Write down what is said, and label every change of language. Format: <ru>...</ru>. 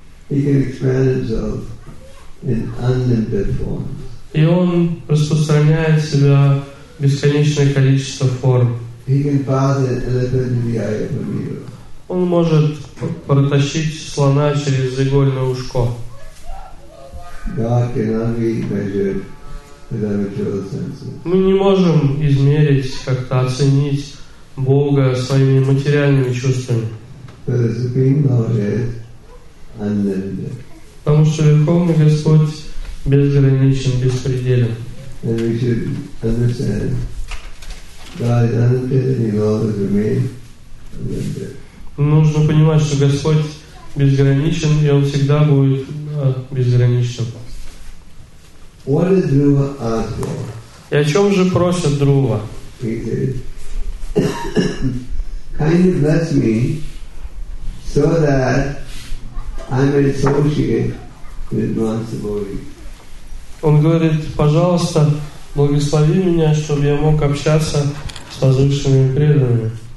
<en>He can expand himself in unlimited forms.</en> <ru>И он распространяет в себя бесконечное количество форм.</ru> <en>He can pass an elephant in the eye of a needle.</en> <ru>Он может протащить слона через игольное ушко.</ru> <en>God cannot be measured with our material senses.</en> <ru>Мы не можем измерить, как-то оценить Бога своими материальными чувствами.</ru> <en>So the Supreme Lord is unlimited.</en> <ru>Потому что Верховный Господь безграничен, беспределен.</ru> <en>And we should understand God is unlimited and He will always remain unlimited.</en> <ru>Нужно понимать, что Господь безграничен, и Он всегда будет безграничным.</ru> <en>What does Dhruva ask for?</en> <ru>И о чем же просит Дхрува?</ru> <en>He said, kindly bless me so that I may associate with Brahma Sabori.</en> <ru>Он говорит, пожалуйста, благослови меня, чтобы я мог общаться с возвышенными преданными.</ru>